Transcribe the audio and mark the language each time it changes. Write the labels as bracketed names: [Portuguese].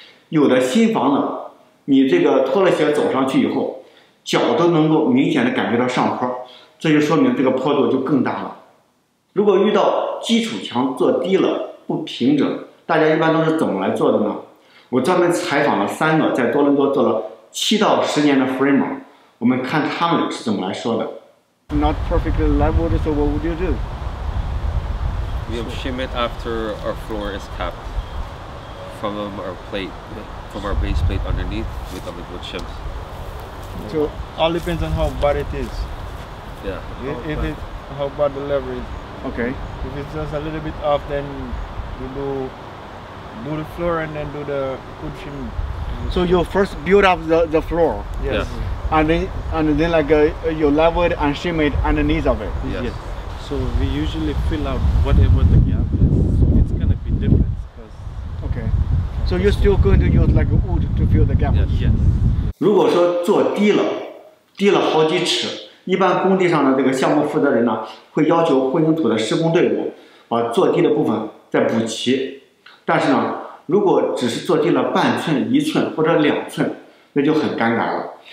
[Chinese] 有的新房呢，你这个脱了鞋走上去以后，脚都能够明显的感觉到上坡，这就说明这个坡度就更大了。如果遇到基础墙做低了不平整，大家一般都是怎么来做的呢？我专门采访了3个在多伦多做了7到10年的 framer， 我们看他们是怎么来说的。 [English] Not perfectly leveled, so what would you do? We shim it after our floor is capped from our plate, from our base plate underneath with other wood shims. So all depends on how bad it is. Yeah. If it how bad the lever is. Okay. If it's just a little bit off, then we do the floor and then do the wood shim. So you first build up the floor. Yes. Yeah. And then like you level it and shim it underneath of it. Yes. So we usually fill up whatever the gap is. So it's gonna be different. Okay. So you're still going to use like wood to fill the gap. Yes. [Chinese] 如果说做低了好几尺，一般工地上的这个项目负责人呢，会要求混凝土的施工队伍把做低的部分再补齐。但是呢，如果只是做低了0.5寸、1寸或者2寸，那就很尴尬了。